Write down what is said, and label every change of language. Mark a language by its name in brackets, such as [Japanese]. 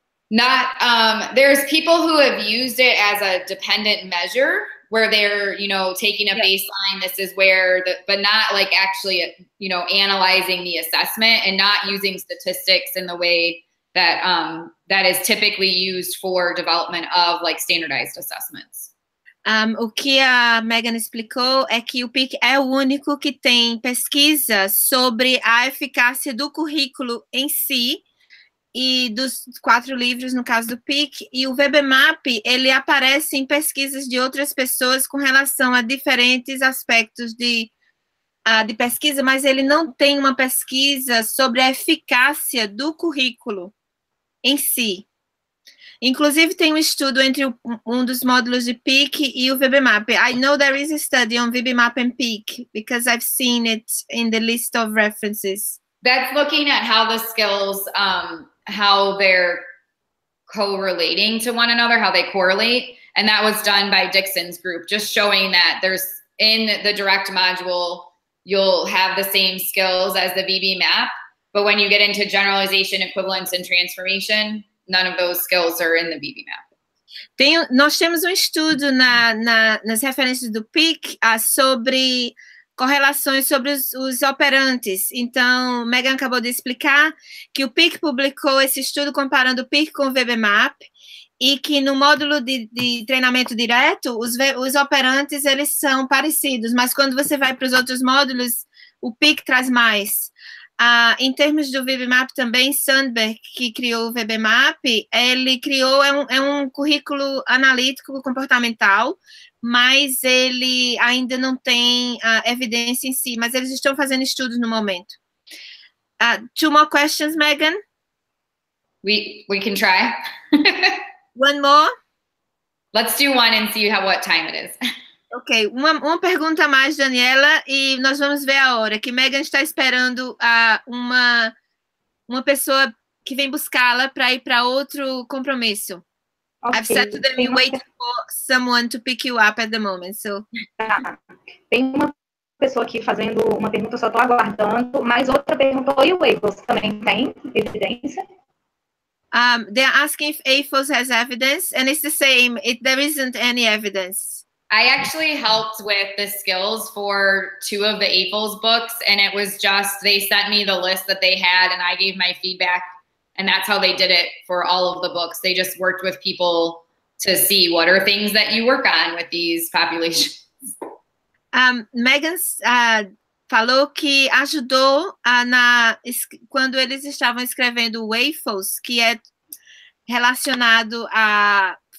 [English] Not, there's people who have used it as a dependent measure where they're, you know, taking a baseline, this is where, but not like actually, you know, analyzing the assessment and not using statistics in the way that that is typically used for development of like standardized assessments. [Portuguese] O que a Megan explicou é que o PEAK é o único que tem pesquisas sobre a eficácia do currículo em si e dos quatro livros, no caso do PEAK, e o VibeMap, ele aparece em pesquisas de outras pessoas com relação a diferentes aspectos de pesquisa, mas ele não tem uma pesquisa sobre a eficácia do currículo em si. Inclusive, tem um estudo entre um dos módulos de PEAK e o VibeMap. [English] I know there is a study on VibeMap and PEAK because I've seen it in the list of references. That's looking at how the skills, how they're co-relating to one another, how they correlate. And that was done by Dixon's group, just showing that there's in the direct module, you'll have the same skills as the VibeMap. But when you get into generalization, equivalence, and transformation, none of those skills are in the VibeMap. [Portuguese] Nós temos estudo nas referências do PEAK sobre correlações sobre os operantes. Então, Megan acabou de explicar que o PEAK publicou esse estudo comparando o PEAK com o VibeMap e que no módulo de treinamento direto, os operantes, eles são parecidos, mas quando você vai para os outros módulos, o PEAK traz mais. Em termos do VibeMap também, Sundberg, que criou o VibeMap, ele criou um currículo analítico comportamental, mas ele ainda não tem evidência em si, mas eles estão fazendo estudos no momento. [English] Two more questions, Megan? We can try. One more? Let's do one and see what time it is. [Portuguese] Ok, uma pergunta a mais, Daniela, e nós vamos ver a hora, que Megan está esperando uma pessoa que vem buscá-la para ir para outro compromisso. [English] Okay. I've said to them, you wait for someone to pick you up at the moment. So. [Portuguese] Tem uma pessoa aqui fazendo uma pergunta, só estou aguardando, mas outra perguntou, e o AFOS também tem evidência? [English] They are asking if AFOS has evidence, and it's the same, there isn't any evidence. I actually helped with the skills for two of the AFOS books, and it was just, they sent me the list that they had, and I gave my feedback, and that's how they did it for all of the books. They just worked with people to see what are things that you work on with these populations. [Portuguese] Megan falou que ajudou quando eles estavam escrevendo o AFOS, que é relacionado a